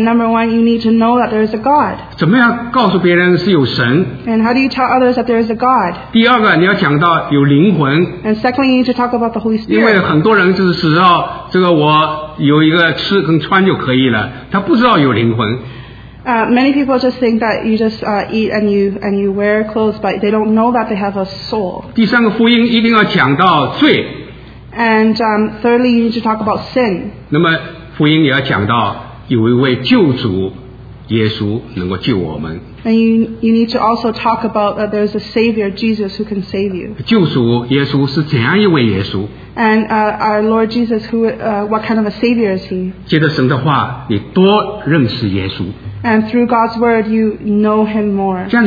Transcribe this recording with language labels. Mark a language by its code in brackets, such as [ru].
[en] number one, you need to know that there is a God. [zh] 怎么样告诉别人是有神？ [en] And how do you tell others that there is a God? [zh] 第二个你要讲到有灵魂。 [en] And secondly, you need to talk about the Holy Spirit. [zh] 因为很多人就是知道这个我有一个吃跟穿就可以了，他不知道有灵魂。 [en] Many people just think that you just eat and you wear clothes, but they don't know that they have a soul. [zh] 第三个福音一定要讲到罪。 [en] And thirdly, you need to talk about sin. [zh] 那么福音也要讲到有一位救主耶稣能够救我们。 [en] And you need to also talk about that there is a Savior, Jesus, who can save you. [zh] 救主耶稣是怎样一位耶稣？ [en] And our Lord Jesus, who what kind of a Savior is he? [zh] 借着神的话，你多认识耶稣。 [en] And through God's word, you know him more.